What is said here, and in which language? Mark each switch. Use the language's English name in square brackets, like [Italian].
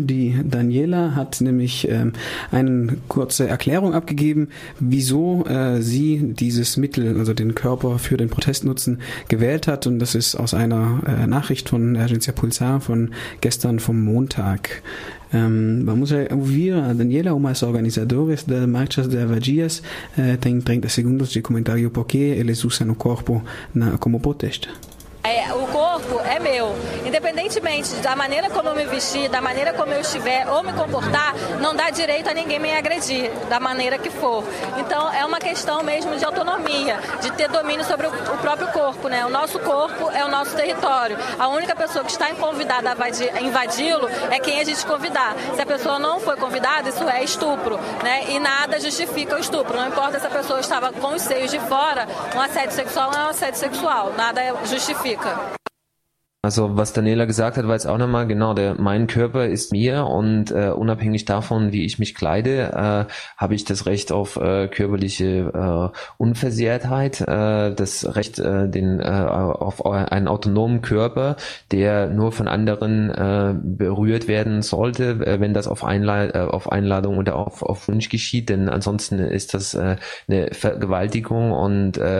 [German] Die Daniela hat nämlich eine kurze Erklärung abgegeben, wieso sie dieses Mittel, also den Körper für den Protestnutzen, gewählt hat. Und das ist aus einer Nachricht von Agencia Pulsar von gestern vom Montag. [Portuguese] Vamos a ouvir a Daniela, uma das organizadoras da Marcha das Vadias. Tem 30 segundos de comentário porque eles usam o corpo como protesto. O corpo é meu. Independentemente da maneira como eu me vestir, da maneira como eu estiver ou me comportar, não dá direito a ninguém me agredir, da maneira que for. Então é uma questão mesmo de autonomia, de ter domínio sobre o próprio corpo, né? O nosso corpo é o nosso território. A única pessoa que está convidada a invadi-lo é quem a gente convidar. Se a pessoa não foi convidada, isso é estupro, né? E nada justifica o estupro. Não importa se a pessoa estava com os seios de fora, um assédio sexual não é um assédio sexual. Nada justifica. [German] Also was Daniela gesagt hat, war jetzt auch nochmal genau, mein Körper ist mir und unabhängig davon, wie ich mich kleide, habe ich das Recht auf körperliche Unversehrtheit, das Recht auf einen autonomen Körper, der nur von anderen berührt werden sollte, wenn das auf Einladung oder auf Wunsch geschieht, denn ansonsten ist das eine Vergewaltigung und